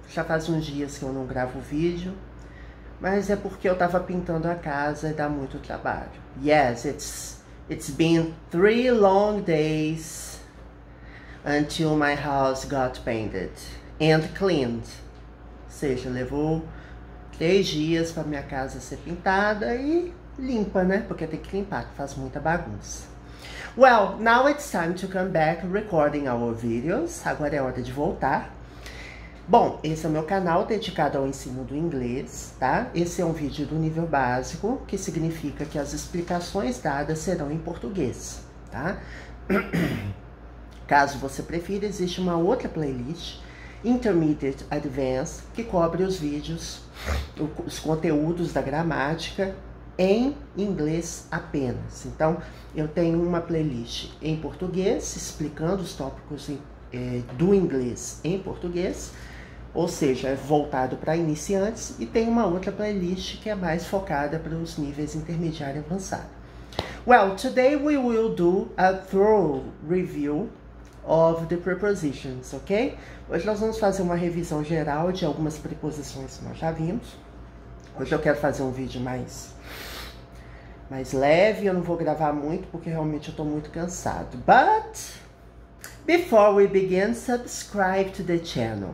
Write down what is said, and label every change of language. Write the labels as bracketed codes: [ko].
[pt] Já faz uns dias que eu não gravo vídeo, mas é porque eu tava pintando a casa e dá muito trabalho. [en] Yes, it's been 3 long days until my house got painted and cleaned. [pt] Ou seja, levou 3 dias para minha casa ser pintada e limpa, né? Porque tem que limpar, que faz muita bagunça. [en] Well, now it's time to come back recording our videos. [pt] Agora é hora de voltar. Bom, esse é o meu canal dedicado ao ensino do inglês, tá? Esse é um vídeo do nível básico, que significa que as explicações dadas serão em português, tá? Caso você prefira, existe uma outra playlist, Intermediate Advanced, que cobre os vídeos, os conteúdos da gramática em inglês apenas. Então, eu tenho uma playlist em português, explicando os tópicos do inglês em português, ou seja, é voltado para iniciantes, e tem uma outra playlist que é mais focada para os níveis intermediário e avançado. [en] Well, today we will do a thorough review of the prepositions, ok? [pt] Hoje nós vamos fazer uma revisão geral de algumas preposições que nós já vimos. Hoje eu quero fazer um vídeo mais leve, eu não vou gravar muito porque realmente eu tô muito cansado. [en] But before we begin, subscribe to the channel.